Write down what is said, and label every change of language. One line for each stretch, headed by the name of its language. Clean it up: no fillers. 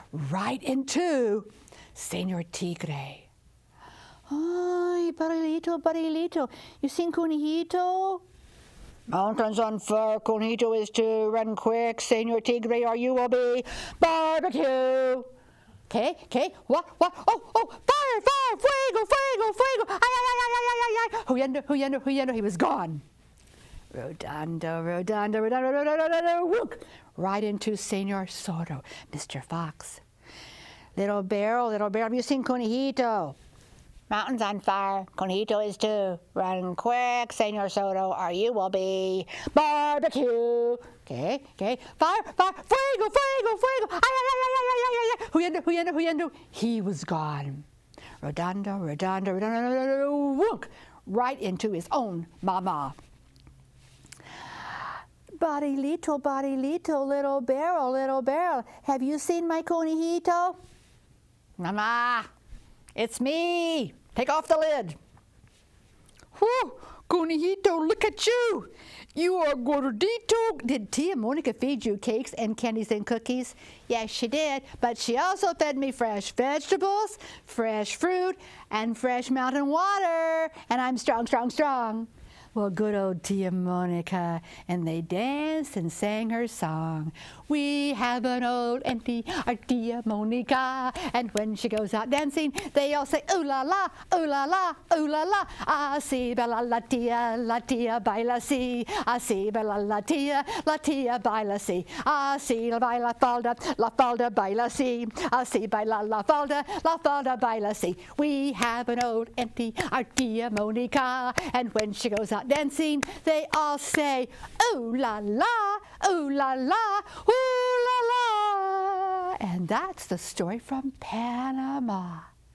English: Right into Senor Tigre. Ay, Barilito, Barilito, you seen Conejito? Mountain's on fire, Conejito is to run quick, Senor Tigre, or you will be barbecue. Okay, okay, what, what? Oh, oh, fire, fire, fuego, fuego, fuego. Ay, ay, ay, ay, ay, ay, ay, ay.
Spanish: Huyendo, huyendo, huyendo,
English: he was gone.
Spanish: Rodando, rodando, rodando, rodando,
English: rodando, rodando, rodando, right into Senor Sordo, Mr. Fox. Little bear, have you seen Conejito? Mountain's on fire. Conejito is to run quick, Senor Sordo, or you will be barbecue. Okay, okay. Fire, fire, fuego, fuego, fuego.
Spanish: Ay, ay, ay, ay, ay, ay, ay, ay. Huyendo, huyendo, huyendo.
English: He was gone.
Spanish: Rodando, rodando, rodando, rodando,
English: wook. Right into his own mama. Body little, little barrel, have you seen my Conejito? Mama, it's me. Take off the lid. Whoa, Conejito, look at you. You are gordito. Did Tia Monica feed you cakes and candies and cookies? Yes, she did, but she also fed me fresh vegetables, fresh fruit, and fresh mountain water. And I'm strong, strong, strong. Well, good old Tia Monica, and they danced and sang her song. We have an old auntie, our Tia Monica, and when she goes out dancing, they all say, ooh la la, ooh la la, ooh la la.
Spanish: Así baila la tía, baila así. Así baila la tía, baila así. Así baila la falda, baila así. Así baila la falda, baila así.
English: We have an old auntie, our Tia Monica, and when she goes out dancing, they all say, ooh la la, ooh la la, ooh la la. And that's the story from Panama.